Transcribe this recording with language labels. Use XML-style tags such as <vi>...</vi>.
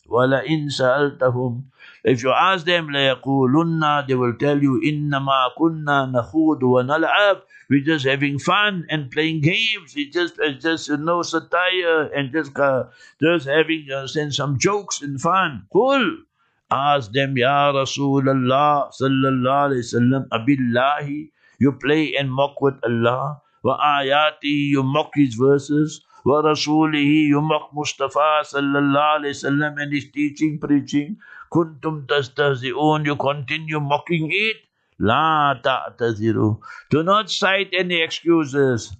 <ar>وَلَئِنْ سَأَلْتَهُمْ.</ar> <en>If you ask them,</en> <ar>لَيَقُولُنَّا,</ar> <en>they will tell you,</en> <ar>إِنَّمَا كُنَّا نَخُودُ وَنَلْعَبُ.</ar> <en>We're just having fun and playing games. It's just you know, satire and just having some jokes and fun. Cool. Ask them,</en> <ar>يَا رَسُولَ اللَّهِ صَلَّى اللَّهِ عَلَيْهِ وَسَلَّمَ أَبِاللَّهِ.</ar> <en>You play and mock with Allah.</en> <ar>وَآيَاتِهِ,</ar> <en>you mock his verses.</en> <ar>وَرَسُولِهِ,</ar> <en>you mock Mustafa صَلَّى اللَّهِ عَلَيْهِ وَسَلَّمَ and his teaching, preaching.</en> <ar>كُنْتُمْ تَسْتَهْزِئُونَ,</ar> <en>you continue mocking it.</en> <ar>لَا تَعْتَذِرُوا.</ar> <en>Do not cite any excuses.</en>